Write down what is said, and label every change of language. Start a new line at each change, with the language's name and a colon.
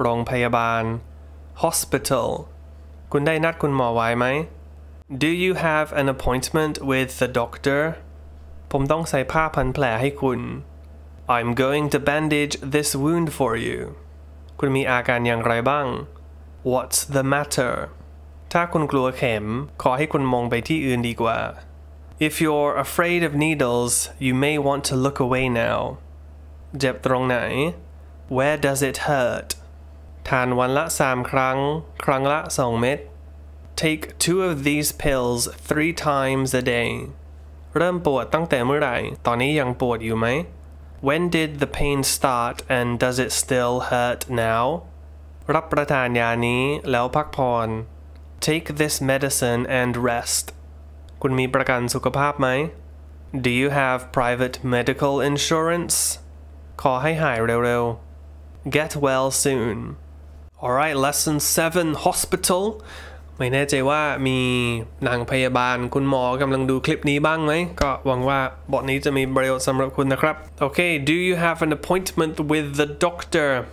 Thai: โรงพยาบาล Hospital. คุณได้นัดคุณหมอไว้ไหม?
English: Do you have an appointment with the doctor?
Thai: ผมต้องใส่ผ้าพันแผลให้คุณ.
English: I'm going to bandage this wound for you.
Thai: คุณมีอาการอย่างไรบ้าง
English: What's the matter?
Thai: ถ้าคุณกลัวเข็มขอให้คุณมองไปที่อื่นดีกว่า
English: If you're afraid of needles, you may want to look away now.
Thai: เจ็บตรงไหน
English: Where does it hurt?
Thai: ทานวันละ3ครั้งครั้งละ2เม็ด
English: Take 2 of these pills 3 times a day.
Thai: เริ่มปวดตั้งแต่เมื่อไหร่ตอนนี้ยังปวดอยู่ไหม
English: When did the pain start and does it still hurt now?
Thai: รับประทานยานี้แล้วพักผ่อน
English: Take this medicine and rest.
Thai: คุณมีประกันสุขภาพไหม?
English: Do you have private medical insurance?
Thai: ขอให้หายเร็วๆ
English: Get well soon. Alright, lesson 7, hospital.
Thai: ไม่แน่ใจว่ามีนางพยาบาลคุณหมอกำลังดูคลิปนี้บ้างไหมก็หวังว่าบทนี้จะมีประโยชน์สำหรับคุณนะครับโอเค
English: Do you have an appointment with the doctor?